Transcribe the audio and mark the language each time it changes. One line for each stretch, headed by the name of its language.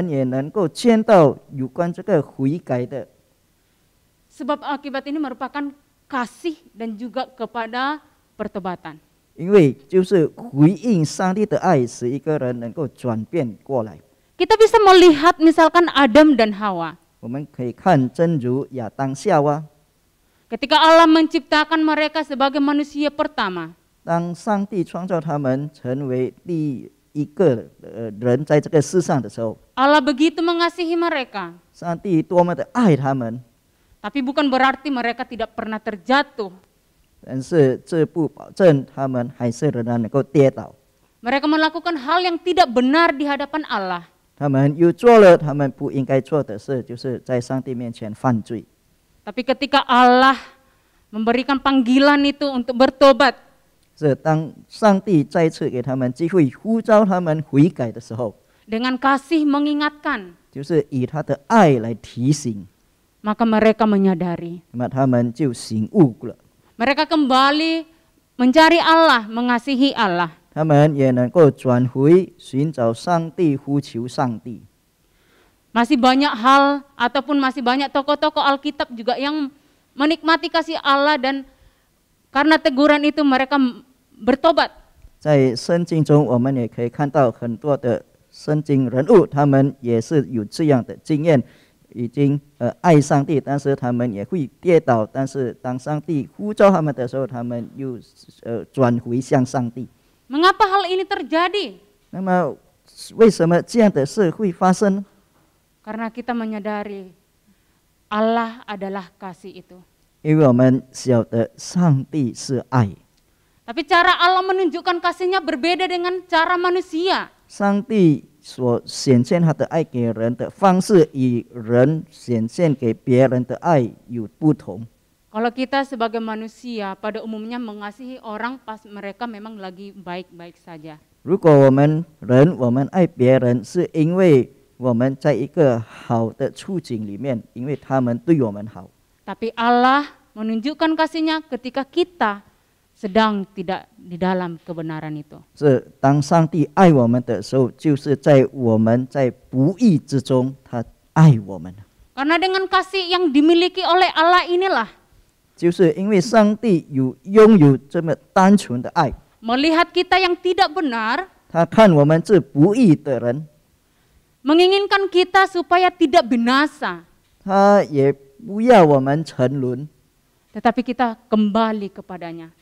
Chinese: 在这个里面，我们也能够见到有关这个悔改的。
Indonesian: Sebab akibat ini merupakan kasih dan juga kepada pertobatan.
Chinese: 因为就是回应上帝的爱，使一个人能够转变过来。
Indonesian: Kita bisa melihat misalkan Adam dan Hawa.
Chinese: 我们可以看真如亚当夏娃。
Indonesian: Ketika Allah menciptakan mereka sebagai manusia pertama,
Chinese: 当上帝创造他们成为第一个人在这个世上的时候，
Indonesian: Allah begitu mengasihi mereka，
Chinese: 上帝多么的爱他们。
Indonesian: Tapi bukan berarti mereka tidak pernah terjatuh，
Chinese: 但是这不保证他们还是仍然能够跌倒。
Indonesian: Mereka melakukan hal yang tidak benar di hadapan Allah，
Chinese: 他们又做了他们不应该做的事，就是在上帝面前犯罪。
Indonesian: Tapi ketika Allah memberikan panggilan itu untuk bertobat，
Chinese: 是当上帝再次给他们机会呼召他们悔改的时候，
Indonesian: dengan kasih mengingatkan，
Chinese: 就是以他的爱来提醒，
Indonesian: maka mereka menyadari，
Chinese: 那他们就醒悟了。
Indonesian: Mereka kembali mencari Allah， mengasihi Allah，
Chinese: 他们也能够转回寻找上帝，呼求上帝。
Indonesian: Masih banyak hal ataupun masih banyak tokoh-tokoh Alkitab juga yang menikmati kasih Allah dan karena teguran itu mereka bertobat.
Chinese: 在圣经中我们也可以看到很多的圣经人物，他们也是有这样的经验，已经爱上帝，但是他们也会跌倒，但是当上帝呼召他们的时候，他们又转回向上帝。
Indonesian: Mengapa hal ini terjadi?
Chinese: 那么为什么这样的事会发生？
Indonesian: Karena kita menyadari Allah adalah kasih itu.
Chinese: 因为我们晓得上帝是爱。
Indonesian: Tapi cara Allah menunjukkan kasihnya berbeda dengan cara manusia.
Chinese: 上帝所显现他的爱给人的方式与人显现给别人的爱有不同。
Indonesian: Kalau kita sebagai manusia pada umumnya mengasihi orang pas mereka memang lagi baik-baik saja.
Chinese: 如果我们人我们爱别人是因为我们在一个好的处境里面，因为他们对我们好。
Indonesian: Tapi Allah menunjukkan kasihnya ketika kita sedang tidak di dalam kebenaran itu.
Chinese: 是当上帝爱我们的时候，就是在我们在不义之中，他爱我们。
Indonesian: Karena dengan kasih yang dimiliki oleh Allah inilah，
Chinese: 就是因为上帝有拥有这么单纯的爱。
Indonesian: Melihat kita yang tidak benar，
Chinese: 他看我们是不义的人。
Indonesian: Menginginkan kita supaya tidak binasa.
Chinese: 他也不要我们沉沦。
Indonesian: Tetapi kita kembali kepadanya.